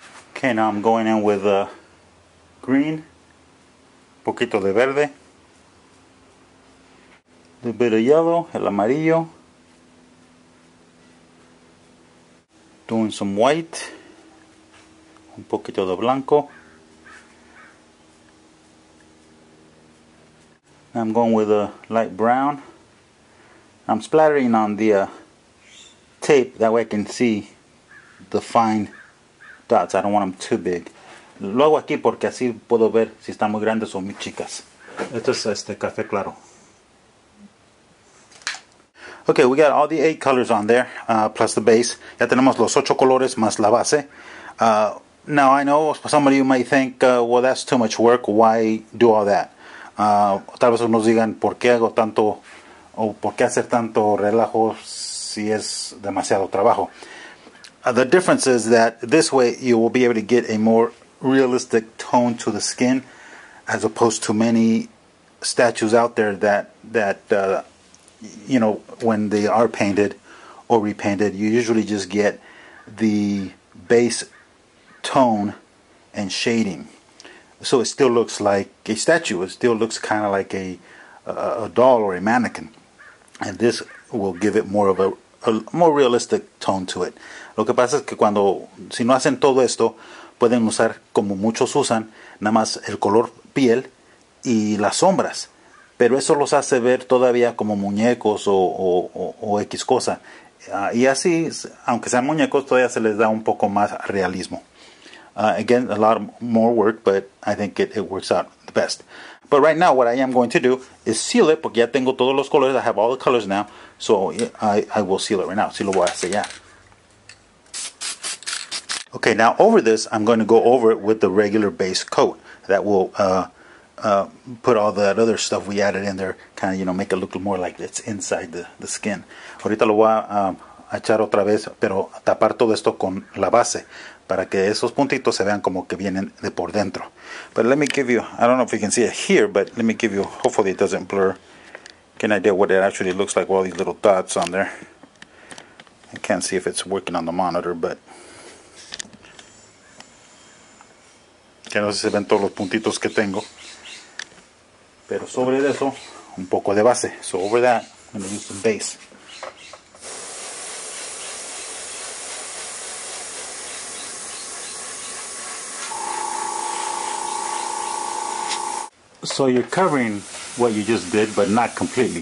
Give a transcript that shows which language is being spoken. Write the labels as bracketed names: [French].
[English] Okay, now I'm going in with green, [Spanish] poquito de verde, [English] little bit of yellow, [Spanish] el amarillo, [English] doing some white, [Spanish] un poquito de blanco. [English] I'm going with a light brown. I'm splattering on the tape, that way I can see the fine dots. I don't want them too big. [Spanish] Lo hago aquí porque así puedo ver si están muy grandes o muy chicas. Esto es café claro. [English] Okay, we got all the 8 colors on there, plus the base. [Spanish] Ya tenemos los 8 colores más la base. [English] Now I know some of you might think, well, that's too much work. Why do all that? [Spanish] Tal vez nos digan por qué hago tanto o por qué hacer tanto relajo si es demasiado trabajo. [English] The difference is that this way you will be able to get a more realistic tone to the skin as opposed to many statues out there that when they are painted or repainted, you usually just get the base tone and shading. So it still looks like a statue. It still looks kind of like a doll or a mannequin. And this will give it more of a a more realistic tone to it. [Spanish] Lo que pasa es que cuando, si no hacen todo esto, pueden usar, como muchos usan, nada más el color piel y las sombras. Pero eso los hace ver todavía como muñecos o X cosa. Y así, aunque sean muñecos, todavía se les da un poco más realismo. [English] Again, a lot more work, but I think it works out the best. But right now, what I am going to do is seal it, [Spanish] porque ya tengo todos los colores. [English] I have all the colors now, so I will seal it right now. [Spanish] Sí, lo voy a sellar. [English] Okay, now over this, I'm going to go over it with the regular base coat that will put all that other stuff we added in there, kind of, you know, make it look more like it's inside the skin. [Spanish] Ahorita lo voy a echar otra vez, pero tapar todo esto con la base para que esos puntitos se vean como que vienen de por dentro. [English] But let me give you, I don't know if you can see it here, but let me give you, hopefully it doesn't blur, get an idea what it actually looks like with all these little dots on there. I can't see if it's working on the monitor, but. [Spanish] Que no sé si se ven todos los puntitos que tengo. Pero sobre eso, un poco de base. [English] So over that, I'm going to use some base. So you're covering what you just did, but not completely.